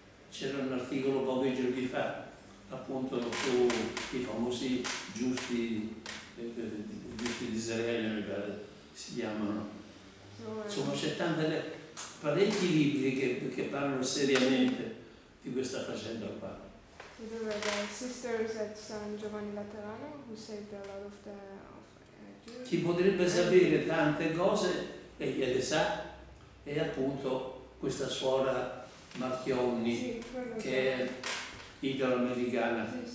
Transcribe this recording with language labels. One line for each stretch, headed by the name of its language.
Italian: C'era un articolo pochi giorni fa, appunto, sui famosi giusti di Israele, mi pare si chiamano. Insomma, c'è tante parecchi libri che parlano seriamente di questa faccenda qua.
English: We do have sisters at San Giovanni Laterano who saved a lot of the of
Italian: chi potrebbe sapere tante cose e gliele sa e appunto questa suora Marchionni che è italo-americana.